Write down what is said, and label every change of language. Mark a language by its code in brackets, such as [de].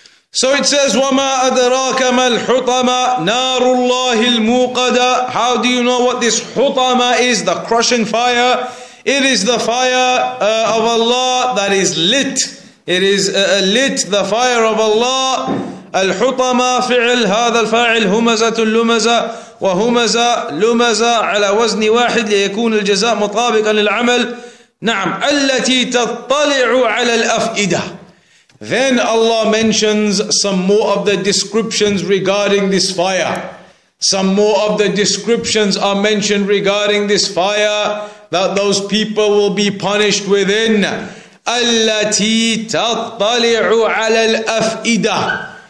[en] So it says, [ar] وَمَا أَدْرَاكَ مَا الْحُطَمَةِ نَارُ اللَّهِ الْمُوْقَدَةِ. [en] How do you know what this حُطَمَة is, the crushing fire? It is the fire of Allah that is lit. It is lit, the fire of Allah. [ar] الحطمة فعل هذا الفاعل همزة اللمزة وهمزة لمزة على وزن واحد ليكون الجزاء مطابقا للعمل. نعم. التي تطلع على الأفئدة. [en] Then Allah mentions some more of the descriptions regarding this fire. Some more of the descriptions are mentioned regarding this fire that those people will be punished within. [ar] التي تطلع على الأفئدة.